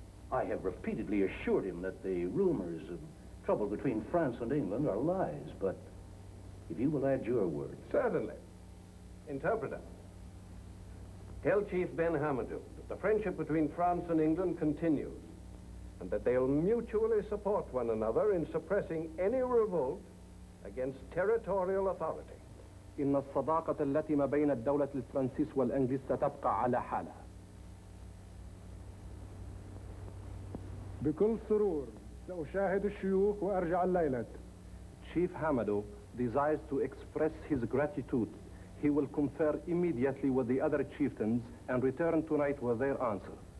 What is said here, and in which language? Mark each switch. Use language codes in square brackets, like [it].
[en] I have repeatedly assured him that the rumors of trouble between France and England are lies, but if you will add your word. Certainly. Interpreter. Tell Chief Ben Habadou that the friendship between France and England continues, and that they'll mutually support one another in suppressing any revolt against territorial authority. [ar] إن الصداقة التي ما بين الدولة الفرنسيس والإنجليز ستبقى على حالها. بكل سرور لأشاهد الشيوخ وأرجع الليلة. [en] Chief Hamadou desires to express his gratitude. He will confer immediately with the other chieftains and return tonight with their answer.